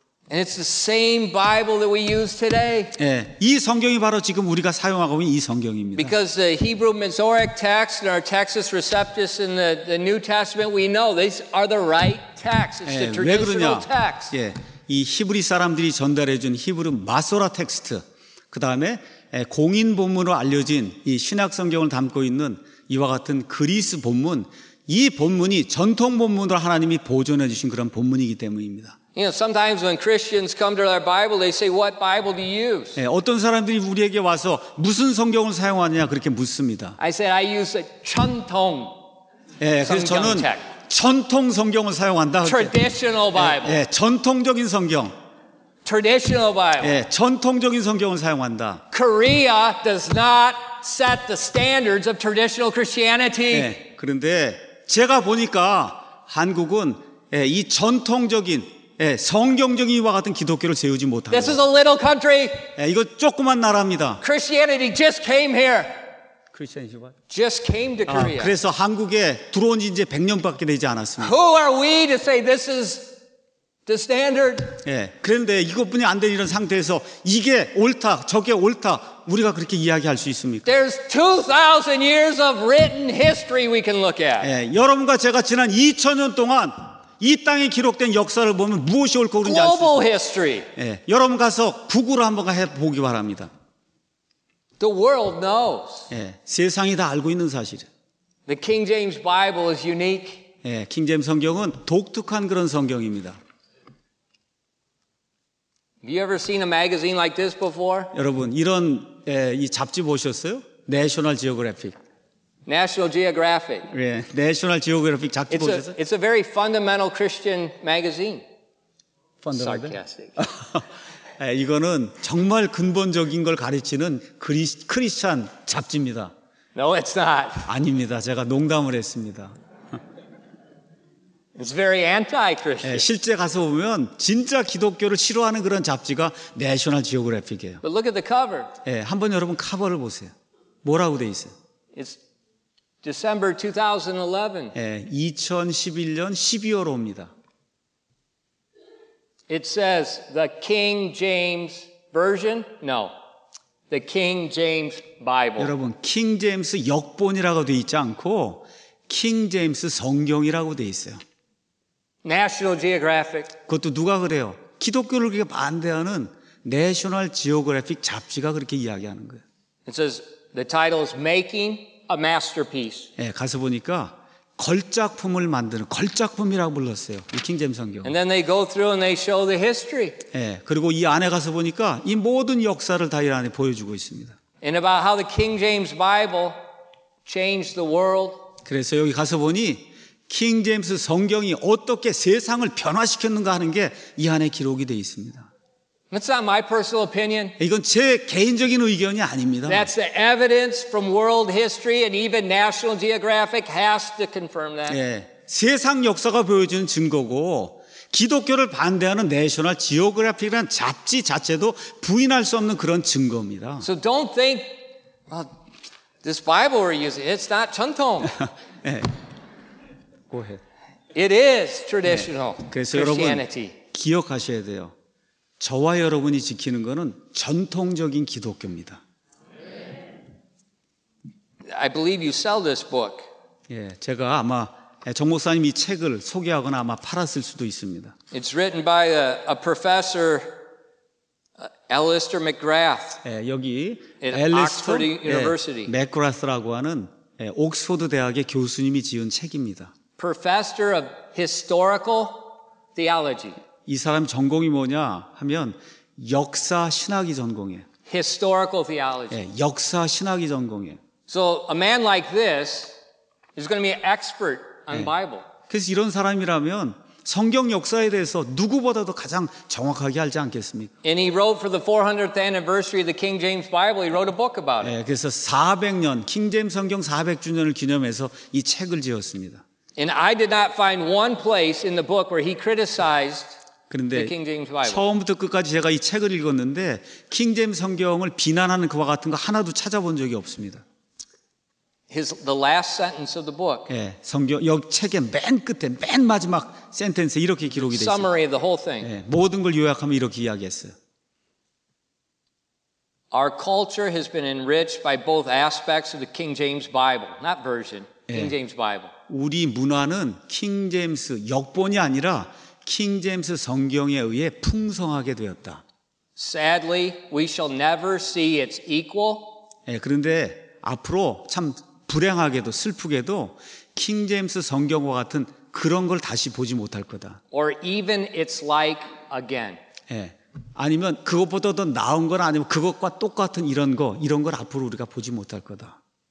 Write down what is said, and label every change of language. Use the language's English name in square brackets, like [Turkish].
[English] And it's the same Bible that we use today. [Korean] 예, 이 성경이 바로 지금 우리가 사용하고 있는 이 성경입니다. [English] Because the Hebrew Masoretic text and our Textus Receptus in the New Testament, we know these are the right texts. It's [Korean] 예, [English] the traditional [Korean] 왜 그러냐? [English] text. [Korean] 예, 이 히브리 사람들이 전달해준 히브리 마소라 텍스트, 그 다음에 공인 본문으로 알려진 이 신약 성경을 담고 있는 이와 같은 그리스 본문, 이 본문이 전통 본문으로 하나님이 보존해 주신 그런 본문이기 때문입니다. [English] You know, sometimes when Christians come to our Bible, they say, "What Bible do you use?" [Korean] 예, 어떤 사람들이 우리에게 와서 무슨 성경을 사용하느냐 그렇게 묻습니다. [English] I said, "I use a 전통." [Korean] 예, 그래서 저는 전통 성경을 사용한다. [English] Traditional Bible. [Korean] 예, 전통적인 성경. [English] Traditional Bible. [Korean] 예, 전통적인 성경을 사용한다. [English] Korea does not set the standards of traditional Christianity. [Korean] 예, 그런데 제가 보니까 한국은 예, 이 전통적인 예, 성경적인 이와 같은 기독교를 세우지 못합니다. [English] This is a little country. [Korean] 예, 이거 조그만 나라입니다. [English] Christianity just came here. Christianity what? Just came to Korea. [Korean] 아, 그래서 한국에 들어온 지 이제 100년밖에 되지 않았습니다. [English] Who are we to say this is the standard? [Korean] 예, 그런데 이것뿐이 안 된 이런 상태에서 이게 옳다, 저게 옳다, 우리가 그렇게 이야기할 수 있습니까? [English] There's 2,000 years of written history we can look at. [Korean] 예, 여러분과 제가 지난 2,000년 동안 이 땅에 기록된 역사를 보면 무엇이 옳고 그런지 알 수 있어요. [English] Global history. [Korean] 예, 여러분 가서 구글을 한번 해보기 바랍니다. [English] The world knows. [Korean] 예, 세상이 다 알고 있는 사실. [English] The King James Bible is unique. [Korean] 예, 킹제임스 성경은 독특한 그런 성경입니다. [English] Have you ever seen a magazine like this before? [Korean] 여러분 이런 예, 이 잡지 보셨어요? [English] National Geographic. National Geographic. [Korean] 예, National Geographic 잡지 보셨어요? [English] It's a very fundamental Christian magazine. Fundamental? Sarcastic. [Korean] 예, 이거는 정말 근본적인 걸 가르치는 크리스찬 잡지입니다. [English] No, it's not. [Korean] 아닙니다. 제가 농담을 했습니다. [English] It's very anti-Christian. [Korean] 예, 실제 가서 보면 진짜 기독교를 싫어하는 그런 잡지가 National Geographic이에요. [English] But look at the cover. [Korean] 예, 한번 여러분 커버를 보세요. 뭐라고 돼 있어요? [English] It's December 2011. [Korean] 예, 2011년 12월 옵니다. [English] It says the King James Version? No. The King James Bible. [Korean] 여러분, 킹제임스 역본이라고 돼 있지 않고 킹제임스 성경이라고 돼 있어요. [English] National Geographic. [Korean] 그것도 누가 그래요? 기독교를 그렇게 반대하는 National Geographic 잡지가 그렇게 이야기하는 거예요. [English] It says the title is Making a Masterpiece. [Korean] 예, 가서 보니까 걸작품을 만드는 걸작품이라고 불렀어요. 이 킹제임스 성경. [English] And then they go through and they show the history. [Korean] 예, 그리고 이 안에 가서 보니까 이 모든 역사를 다 이 안에 보여주고 있습니다. [English] And about how the King James Bible changed the world. [Korean] 그래서 여기 가서 보니 킹제임스 성경이 어떻게 세상을 변화시켰는가 하는 게 이 안에 기록이 돼 있습니다. [English] That's not my personal opinion. [Korean] 이건 제 개인적인 의견이 아닙니다. [English] That's the evidence from world history and even National Geographic has to confirm that. [Korean] 예, 세상 역사가 보여주는 증거고 기독교를 반대하는 내셔널 지오그래픽이라는 잡지 자체도 부인할 수 없는 그런 증거입니다. [English] So don't think this Bible we're using, it's not 전통. 예. Go ahead. It is traditional Christianity. [Korean] 그래서 여러분 기억하셔야 돼요. 저와 여러분이 지키는 것은 전통적인 기독교입니다. [English] I believe you sell this book. [Korean] 예, 제가 아마 정 목사님이 책을 소개하거나 아마 팔았을 수도 있습니다. [English] It's written by a professor, Alistair McGrath. [Korean] 예, 여기 Alistair University. 맥그라스라고 하는 옥스퍼드 대학의 교수님이 지은 책입니다. [English] Professor of historical theology. [Korean] 이 사람 전공이 뭐냐 하면 역사 신학이 전공이에요. [English] Historical theology. [Korean] 예, 역사 신학이 전공이에요. [English] So a man like this is going to be an expert on the Bible. [Korean] 그래서 이런 사람이라면 성경 역사에 대해서 누구보다도 가장 정확하게 알지 않겠습니까? [English] And he wrote for the 400th anniversary of the King James Bible. He wrote a book about it. [Korean] 예, 그래서 400년 킹 제임스 성경 400주년을 기념해서 이 책을 지었습니다. [English] And I did not find one place in the book where he criticized the King James Bible. [Korean] 처음부터 끝까지 제가 이 책을 읽었는데 킹 제임스 성경을 비난하는 그와 같은 거 하나도 찾아본 적이 없습니다. [English] The last sentence of the book. [Korean] 예, 성경 역 책의 맨 끝에 맨 마지막 센텐스 이렇게 기록이 돼 있어요. [English] Summary of the whole thing. [Korean] 예, 모든 걸 요약하면 이렇게 이야기했어요. [English] Our culture has been enriched by both aspects of the King James Bible, not version. King James Bible. [Korean] 우리 문화는 킹 제임스 역본이 아니라 킹 제임스 성경에 의해 풍성하게 되었다. [English] Sadly, we shall never see its equal. [Korean] 예, 그런데 앞으로 참 불행하게도 슬프게도 킹 제임스 성경과 같은 그런 걸 다시 보지 못할 거다. [English] Or even its like again. [Korean] 예, 아니면 그것보다 더 나은 건 아니면 그것과 똑같은 이런 걸 앞으로 우리가 보지 못할 거다.